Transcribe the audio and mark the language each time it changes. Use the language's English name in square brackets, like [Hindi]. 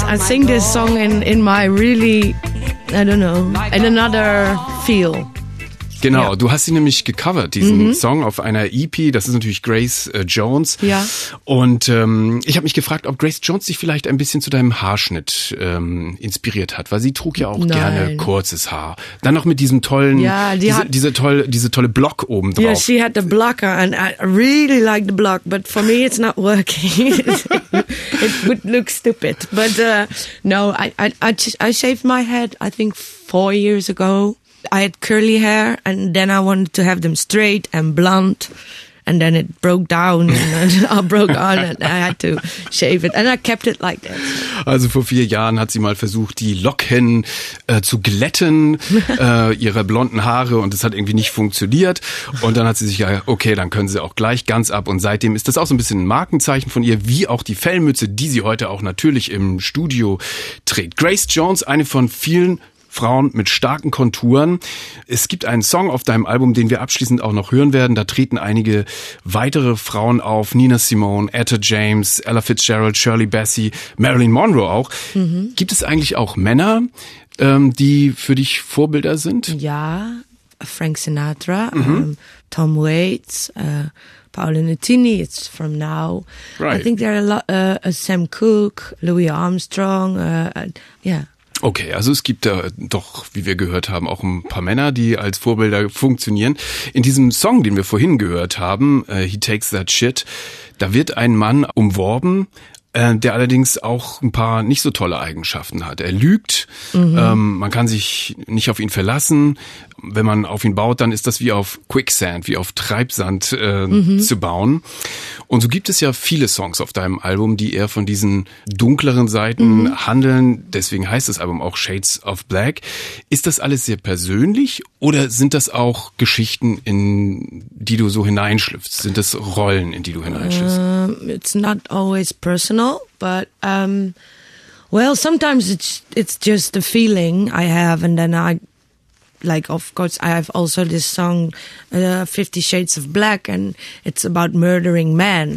[English] I sing this song in my really, I don't know, in another feel. [German] Genau, ja. Du hast sie nämlich gecovert, diesen Song auf einer EP. Das ist natürlich Grace Jones. Ja. Und ich habe mich gefragt, ob Grace Jones sich vielleicht ein bisschen zu deinem Haarschnitt inspiriert hat, weil sie trug ja auch gerne kurzes Haar. Dann noch mit diesem tollen, diese tolle Block oben drauf. [English] Yeah, she had the blocker and I really like the block, but for me it's not working. It would look stupid. But no, I shaved my head, I think 4 years ago. I had curly hair and then I wanted to have them straight and blonde and then it broke down and I broke on and I had to shave it and I kept it like that. [German] Also vor 4 Jahren hat sie mal versucht, die Locken zu glätten, ihre blonden Haare, und es hat irgendwie nicht funktioniert. Und dann hat sie sich gedacht, okay, dann können sie auch gleich ganz ab. Und seitdem ist das auch so ein bisschen ein Markenzeichen von ihr, wie auch die Fellmütze, die sie heute auch natürlich im Studio trägt. Grace Jones, eine von vielen Frauen mit starken Konturen. Es gibt einen Song auf deinem Album, den wir abschließend auch noch hören werden. Da treten einige weitere Frauen auf. Nina Simone, Etta James, Ella Fitzgerald, Shirley Bassey, Marilyn Monroe auch. Mhm. Gibt es eigentlich auch Männer, die für dich Vorbilder sind? [English] Ja, Frank Sinatra, Tom Waits, Paolo Nutini, it's from now. Right. I think there are a lot, Sam Cooke, Louis Armstrong, [German] Okay, also es gibt da doch, wie wir gehört haben, auch ein paar Männer, die als Vorbilder funktionieren. In diesem Song, den wir vorhin gehört haben, He Takes That Shit, da wird ein Mann umworben, der allerdings auch ein paar nicht so tolle Eigenschaften hat. Er lügt, man kann sich nicht auf ihn verlassen. Wenn man auf ihn baut, dann ist das wie auf Quicksand, wie auf Treibsand zu bauen. Und so gibt es ja viele Songs auf deinem Album, die eher von diesen dunkleren Seiten handeln. Deswegen heißt das Album auch Shades of Black. Ist das alles sehr persönlich oder sind das auch Geschichten, in die du so hineinschlüpfst? Sind das Rollen, in die du hineinschlüpfst? [English] It's not always personal, but well, sometimes it's just a feeling I have and then I... Like, of course, I have also this song, 50 Shades of Black, and it's about murdering men.